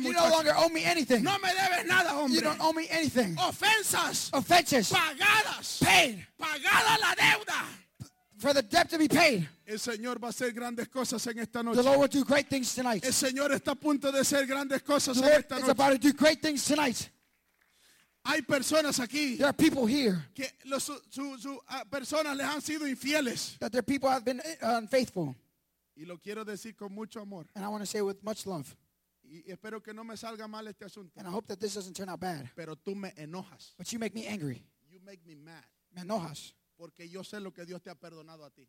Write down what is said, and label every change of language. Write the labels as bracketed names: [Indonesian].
[English] you no longer owe me anything. [Spanish] No me debes nada, hombre. [English] You don't owe me anything. [Spanish] Ofensas. [English] Offenses. [Spanish] Pagadas. [English] Paid. [Spanish] Pagada la deuda. [English] For the debt to be paid. [Spanish] El Señor va a hacer grandes cosas en esta noche. [English] The Lord will do great things tonight. [Spanish] El Señor está a punto de hacer grandes cosas en esta noche. [English] The Lord is about to do great things tonight. [Spanish] Hay personas aquí. [English] There are people here. [Spanish] Que sus personas les han sido infieles. [English] That their people have been unfaithful. [Spanish] Y lo quiero decir con mucho amor. [English] And I want to say with much love. [Spanish] Y espero que no me salga mal este asunto. [English] And I hope that this doesn't turn out bad. [Spanish] Pero tú me enojas. [English] But you make me angry. You make me mad. [Spanish] Me enojas. Porque yo sé lo que Dios te ha perdonado a ti.